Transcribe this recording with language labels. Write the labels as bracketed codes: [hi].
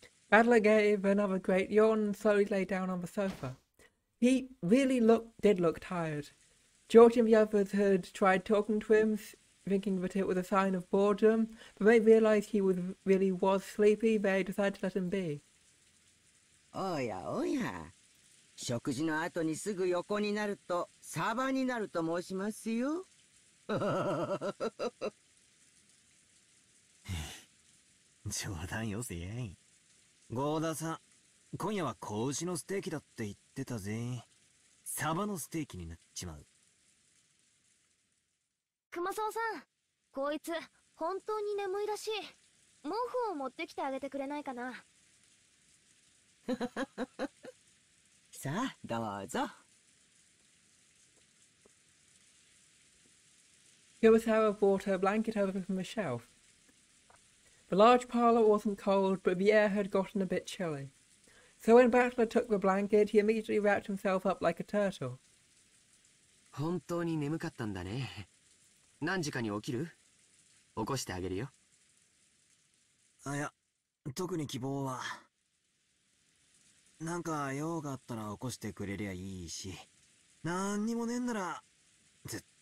[en] Battler gave another great yawn and slowly lay down on the sofa. He really did look tired. George and the others had tried talking to him, thinking that it was a sign of boredom, but they realised he really was sleepy, they decided to let him be. Oh yeah, oh yeah. [ja] 食事の後にすぐ横になると, サバになると申しますよ. 冗談よせ。ゴーダさん、今夜は子牛のステーキだって言ってたぜ。サバのステーキになっちまう。 熊沢さん、こいつ本当に眠いらしい。毛布を持ってきてあげてくれないかな。さあどうぞ。 [en] Kurosawa brought her blanket over from the shelf. The large parlor wasn't cold, but the air had gotten a bit chilly. So when Butler took the blanket, he immediately wrapped himself up like a turtle. [ja] 本当に眠かったんだね。何時かに起きる？起こしてあげるよ。あ、いや、特に希望は。なんか用があったら起こしてくれりゃいいし、何にもねえんなら、ずっと。